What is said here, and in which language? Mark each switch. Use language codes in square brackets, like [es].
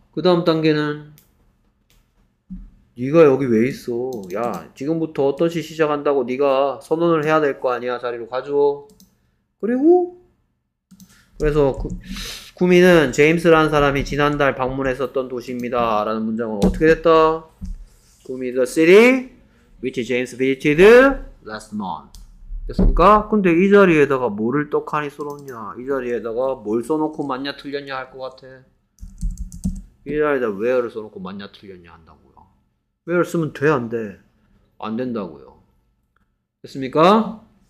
[ko] 그 다음 단계는 네가 여기 왜 있어? 야, 지금부터 어떤 시 시작한다고 네가 선언을 해야 될거 아니야. 자리로 가줘. 그리고 그래서 구미는 제임스라는 사람이 지난달 방문했었던 도시입니다 라는 문장은 어떻게 됐다? [en] Gumi the city which James visited last month. [ko] 됐습니까? 근데 이 자리에다가 뭐를 떡하니 써놓냐? 이 자리에다가 뭘 써놓고 맞냐 틀렸냐 할것 같아. 이 자리에다 where를 써놓고 맞냐 틀렸냐 한다고요. where 쓰면 돼안 돼? 안 된다고요. 됐습니까?